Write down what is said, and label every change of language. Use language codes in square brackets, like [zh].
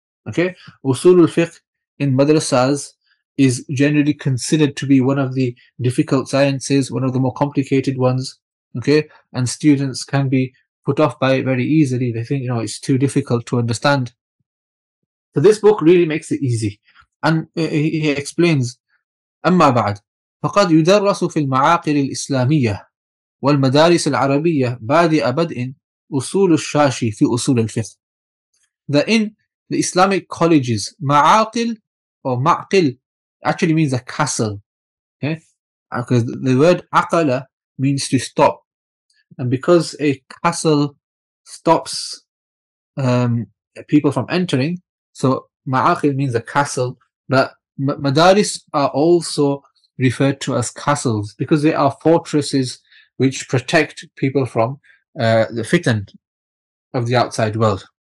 [en] Okay, usul al-fiqh in madrasas is generally considered to be one of the difficult sciences, one of the more complicated ones. Okay, and students can be put off by it very easily. They think, you know, it's too difficult to understand. So this book really makes it easy. And he explains, [ar] أَمَّا بَعْدْ فَقَدْ يُدَرَّسُ فِي الْمَعَاقِرِ الْإِسْلَامِيَّةِ وَالْمَدَارِسِ الْعَرَبِيَّةِ بَادِئَ بَدْءٍ أُصُولُ الشَّاشِ فِي أُصُولِ الْفِقْهِ. [en] That in the Islamic colleges, ma'aqil or ma'qil actually means a castle. Okay? Because the word aqala means to stop. And because a castle stops people from entering, so ma'aqil means a castle, but madaris are also referred to as castles because they are fortresses which protect people from the fitan of the outside world.